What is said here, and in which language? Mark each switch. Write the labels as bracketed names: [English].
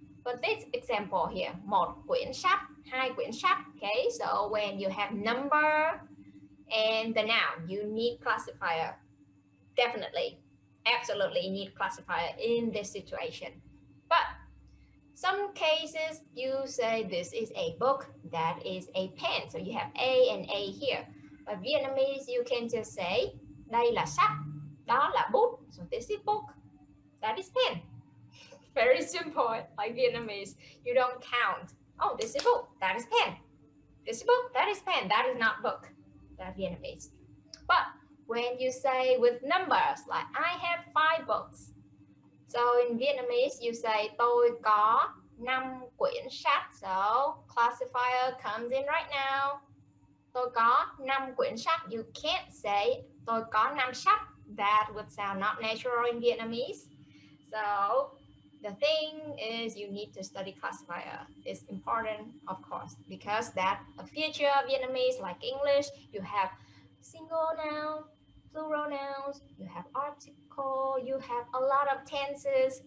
[English] But this example here, [Vietnamese] một quyển sách, hai quyển sách. [English] Okay, so when you have number and the noun, you need classifier. Definitely, absolutely need classifier in this situation. But some cases you say this is a book, that is a pen. So you have A and A here. A Vietnamese, you can just say, [Vietnamese] đây là sách, đó là bút. [English] So this is book, that is pen. Very simple, like Vietnamese. You don't count. Oh, this is book, that is pen. This is book, that is pen, that is not book. That's Vietnamese. But when you say with numbers, like I have five books. So in Vietnamese, you say [Vietnamese] tôi có năm quyển sách. [English] So classifier comes in right now. [Vietnamese] Tôi có năm quyển sách. [English] You can't say [Vietnamese] tôi có năm sách. [English] That would sound not natural in Vietnamese. So the thing is you need to study classifier. It's important, of course, because that a feature of Vietnamese, like English, you have single noun, plural nouns, you have article, you have a lot of tenses.